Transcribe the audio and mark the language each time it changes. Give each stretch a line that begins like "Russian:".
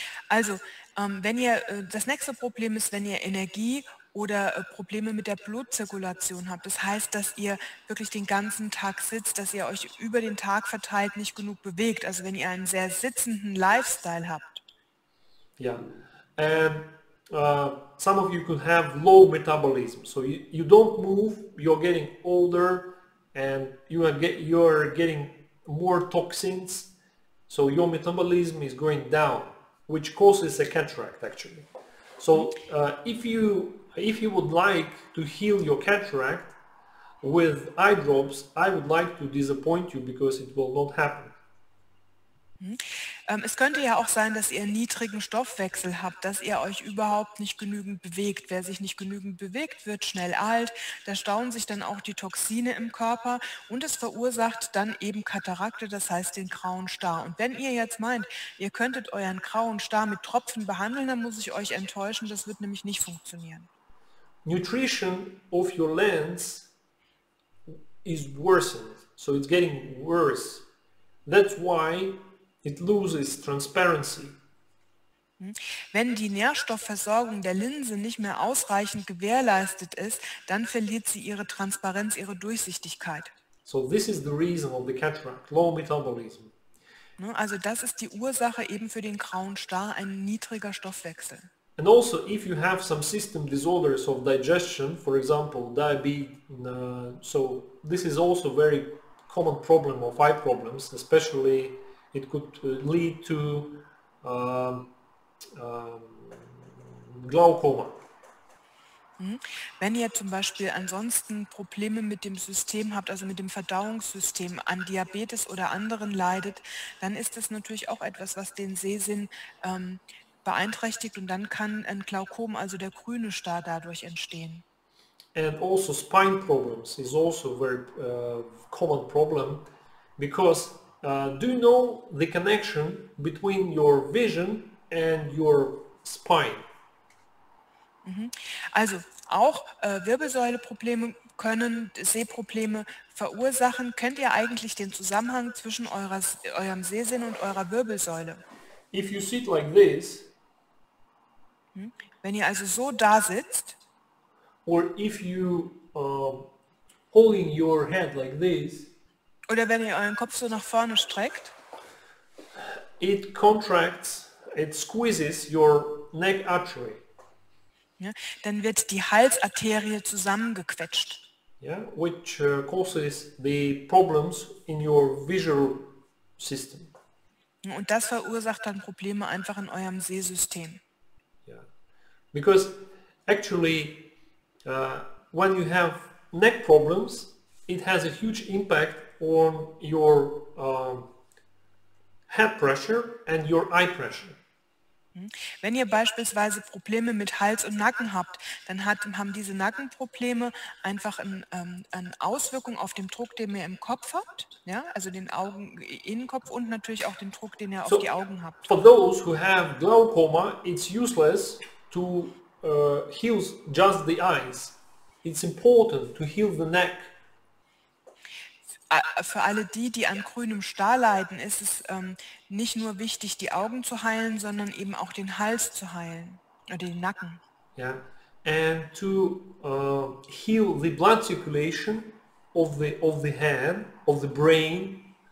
German: Also, wenn ihr das nächste Problem ist, wenn ihr Energie oder Probleme mit der Blutzirkulation habt. Das heißt, dass ihr wirklich den ganzen Tag sitzt, dass ihr euch über den Tag verteilt nicht genug bewegt. Also wenn ihr einen sehr sitzenden Lifestyle habt.
English: Ja, and some of you could have low metabolism. So you don't move, you're getting older and you are getting more toxins. So your metabolism is going down, which causes a cataract actually. So if you would like to heal your cataract, with eye drops, I would like to disappoint you because it will not happen.
German: Es könnte ja auch sein, dass ihr einen niedrigen Stoffwechsel habt, dass ihr euch überhaupt nicht genügend bewegt. Wer sich nicht genügend bewegt, wird schnell alt. Da stauen sich dann auch die Toxine im Körper und es verursacht dann eben Katarakte, das heißt den grauen Star. Und wenn ihr jetzt meint, ihr könntet euren grauen Star mit Tropfen behandeln, dann muss ich euch enttäuschen, das wird nämlich nicht funktionieren.
English: Nutrition of your lens is worsened, so it's getting worse. That's why it loses transparency.
German: Wenn die Nährstoffversorgung der Linse nicht mehr ausreichend gewährleistet ist, dann verliert sie ihre Transparenz, ihre Durchsichtigkeit.
English: So this is the reason of the cataract, low metabolism.
German: Also das ist die Ursache eben für den grauen Star, ein niedriger Stoffwechsel.
English: And also if you have some system disorders of digestion, for example diabetes, so this is also a very common problem of eye problems, especially it could lead to glaucoma.
German: Wenn ihr zum Beispiel ansonsten Probleme mit dem System habt, also mit dem Verdauungssystem, an Diabetes oder anderen leidet, dann ist das natürlich auch etwas, was den Sehsinn beeinträchtigt und dann kann ein Glaukom, also der grüne Star, dadurch entstehen.
English: And also spine problems is also a very common problem because do you know the connection between your vision and your spine?
German: Also auch Wirbelsäuleprobleme können Sehprobleme verursachen. Kennt ihr eigentlich den Zusammenhang zwischen eurem Sehsinn und eurer Wirbelsäule?
English: If you sit like this,
German: wenn ihr also so da sitzt,
English: or if you holding your head like this,
German: oder wenn ihr euren Kopf so nach vorne streckt,
English: it contracts, it squeezes your neck artery.
German: Ja, dann wird die Halsarterie zusammengequetscht.
English: Yeah, which causes the problems in your visual system.
German: Und das verursacht dann Probleme einfach in eurem Sehsystem.
English: Yeah. Because actually when you have neck problems, it has a huge impact on your head pressure and your eye pressure.
German: Wenn ihr beispielsweise Probleme mit Hals und Nacken habt, dann haben diese Nackenprobleme einfach eine Auswirkung auf den Druck, den ihr im Kopf habt, ja? Also den Augen, Innenkopf und natürlich auch den Druck, den ihr auf die Augen habt.
English: For those who have glaucoma, it's useless to heal just the eyes. It's important to heal the neck.
German: Für alle die, die an grünem Star leiden, ist es nicht nur wichtig, die Augen zu heilen, sondern eben auch den Hals zu heilen oder den Nacken.
English: Yeah. And to heal the blood circulation of the head, of the brain.